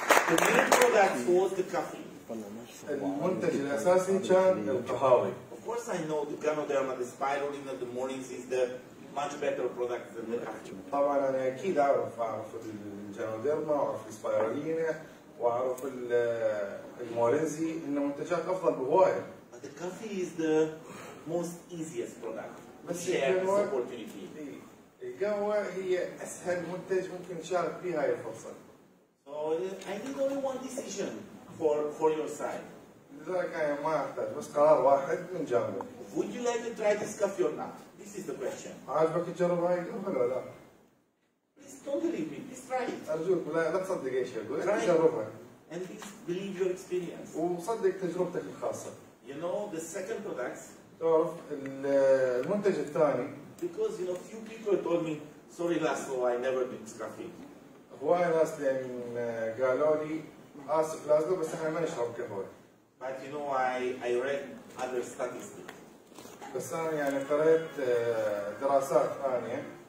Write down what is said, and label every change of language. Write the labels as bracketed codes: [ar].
[en] The main product was the coffee. [ar] المنتج الأساسي كان القهاوي. [en] Of course I know the Ganoderma, the spirulina in the mornings is the much better product than the coffee. [ar] طبعا أنا أكيد أعرف الجانوديرما وأعرف السبايرولينا وأعرف المورينزي إن منتجات أفضل بهواية. [en] But the coffee is the most easiest product. [ar] بس [en] share this opportunity. [ar] القهوة هي أسهل منتج ممكن نشارك فيه هاي الفرصة. [en] So I need only one decision. For your side. [ar] لذلك أنا ما أحتاج بس قرار واحد من جانبك. [en] Would you like to try this coffee or not? This is the question. [ar] عاجبك تجرب هاي القهوة ولا لا؟ [en] Please don't believe me. Please try it. [ar] أرجوك لا تصدق أي شيء. [en] Try it. [ar] جربها. [en] And please believe your experience. [ar] وصدق تجربتك الخاصة. [en] You know the second products. [ar] تعرف المنتج الثاني. [en] Because you know few people told me sorry last so I never drink coffee. [ar] هواي ناس يعني قالوا لي اسف لازلو بس احنا ما نشرب قهوه. [en] But you know I read other statistics. [ar] بس انا يعني قريت دراسات ثانيه.